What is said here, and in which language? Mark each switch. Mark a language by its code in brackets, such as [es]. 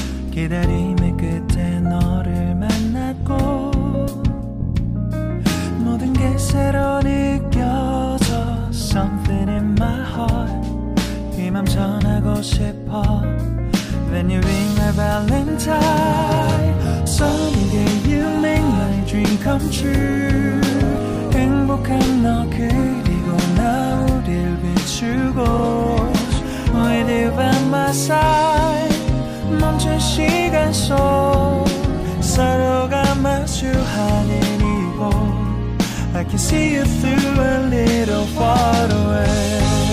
[ko] 기다림의 끝에 너를 만났고 모든 게 새로 느껴져. [en] Something in my heart [ko] 이 맘 전하고 싶어. [en] When you ring my valentine sunny day you make my dream come true. [ko] 행복한 너 그리고 나 우릴 비추고 [en] with you by my side [ko] 멈춘 시간 속 서로가 마주하는 이곳. [en] I can see you through a little far away.